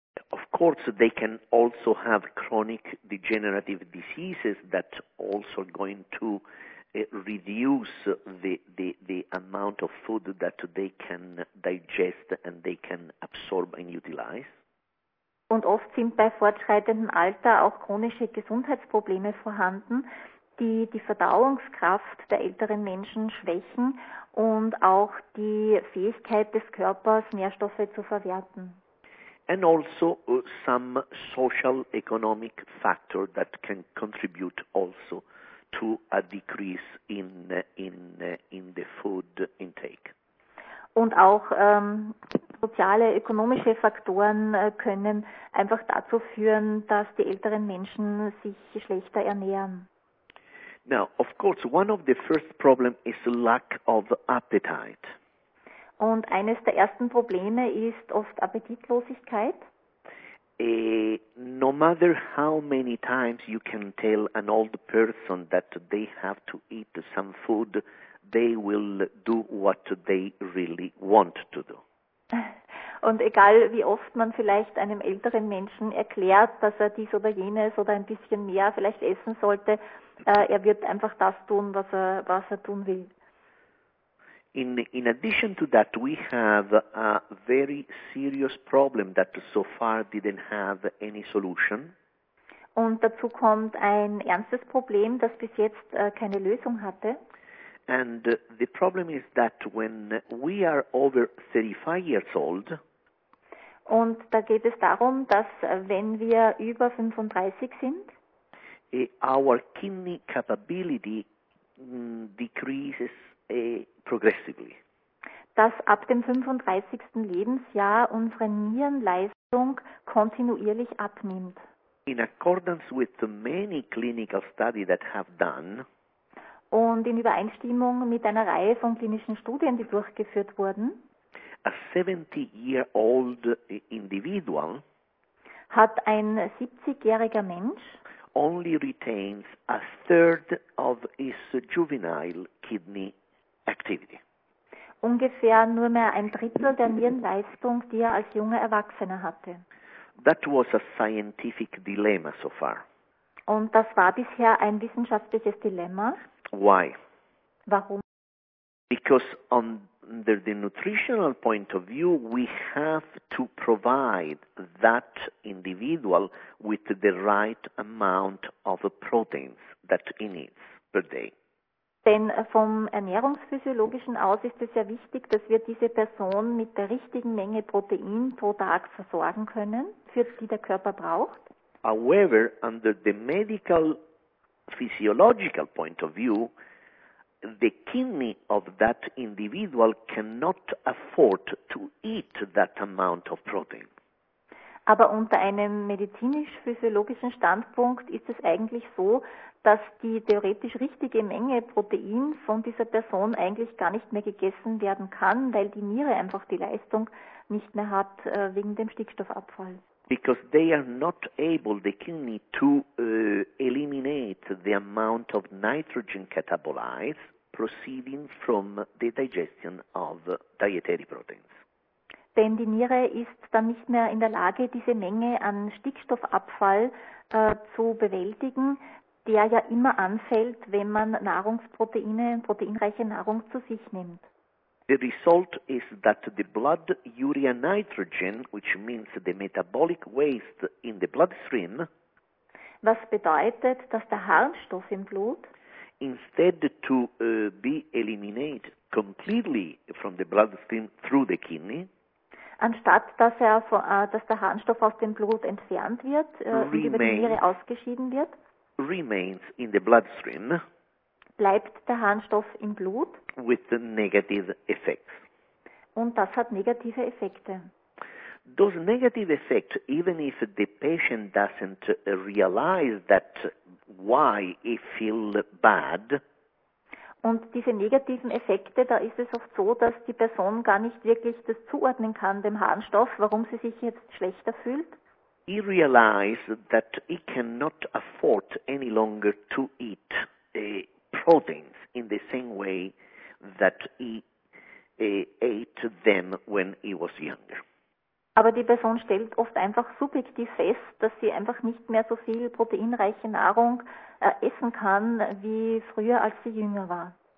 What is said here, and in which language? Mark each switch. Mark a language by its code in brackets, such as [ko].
[en] Of course, they can also have chronic degenerative diseases that also are going to reduce the amount of food that they can digest and they can absorb and utilize. [de] Und oft sind bei fortschreitendem Alter auch chronische Gesundheitsprobleme vorhanden, die die Verdauungskraft der älteren Menschen schwächen und auch die Fähigkeit des Körpers, Nährstoffe zu verwerten. [en] And also some social economic factor that can contribute also to a decrease in the food intake. [de] Und auch soziale, ökonomische Faktoren können einfach dazu führen, dass die älteren Menschen sich schlechter ernähren. [en] Now, of course, one of the first problems is lack of appetite. [de] Und eines der ersten Probleme ist oft Appetitlosigkeit. [en] No matter how many times you can tell an old person that they have to eat some food, they will do what they really want to do. [de] Und egal wie oft man vielleicht einem älteren Menschen erklärt, dass er dies oder jenes oder ein bisschen mehr vielleicht essen sollte, er wird einfach das tun, was er tun will. [en] In addition to that, we have a very serious problem that so far didn't have any solution. [de] Und dazu kommt ein ernstes Problem, das bis jetzt keine Lösung hatte. [en] And the problem is that when we are over 35 years old, [de] und da geht es darum, dass wenn wir über 35 sind, [en] our kidney capability decreases progressively. [de] Dass ab dem 35. Lebensjahr unsere Nierenleistung kontinuierlich abnimmt. [en] In accordance with many clinical studies that have done, [de] und in Übereinstimmung mit einer Reihe von klinischen Studien, die durchgeführt wurden, [en] a 70-year-old individual [de] hat ein 70-jähriger Mensch [en] only retains a third of his juvenile kidney activity. [de] Ungefähr nur mehr ein Drittel der Nierenleistung, die er als junger Erwachsener hatte. [en] That was a scientific dilemma so far. [de] Und das war bisher ein wissenschaftliches Dilemma. [en] Why? [de] Warum? [en] Because under the nutritional point of view, we have to provide that individual with the right amount of proteins that he needs per day. [de] Denn vom ernährungsphysiologischen aus ist es ja wichtig, dass wir diese Person mit der richtigen Menge Protein pro Tag versorgen können, für die der Körper braucht. [en] However, under the medical physiological point of view, the kidney of that individual cannot afford to eat that amount of protein. [de] Aber unter einem medizinisch-physiologischen Standpunkt ist es eigentlich so, dass die theoretisch richtige Menge Protein von dieser Person eigentlich gar nicht mehr gegessen werden kann, weil die Niere einfach die Leistung nicht mehr hat wegen dem Stickstoffabfall. [en] Because they are not able, the kidney, to eliminate the amount of nitrogen catabolites proceeding from the digestion of dietary proteins. [de] Denn die Niere ist dann nicht mehr in der Lage, diese Menge an Stickstoffabfall zu bewältigen, der ja immer anfällt, wenn man Nahrungsproteine, proteinreiche Nahrung zu sich nimmt. [en] The result is that the blood urea nitrogen, which means the metabolic waste in the bloodstream, [de] was bedeutet, dass der Harnstoff im Blut, [en] instead to be eliminated completely from the bloodstream through the kidney, [de] anstatt dass er, dass der Harnstoff aus dem Blut entfernt wird, über die Niere ausgeschieden wird, [en] remains in the bloodstream, [de] bleibt der Harnstoff im Blut, [en] with the negative effects. [de] Und das hat negative Effekte. [en] Those negative effects, even if the patient doesn't realize that why he feel bad. [de] Und diese negativen Effekte, da ist es oft so, dass die Person gar nicht wirklich das zuordnen kann, dem Harnstoff, warum sie sich jetzt schlechter fühlt. [en] He realized that he cannot afford any longer to eat proteins in the same way that he ate them when he was younger. [de] Aber die Person stellt oft einfach subjektiv fest, dass sie einfach nicht mehr so viel proteinreiche Nahrung essen kann, wie früher, als sie jünger war.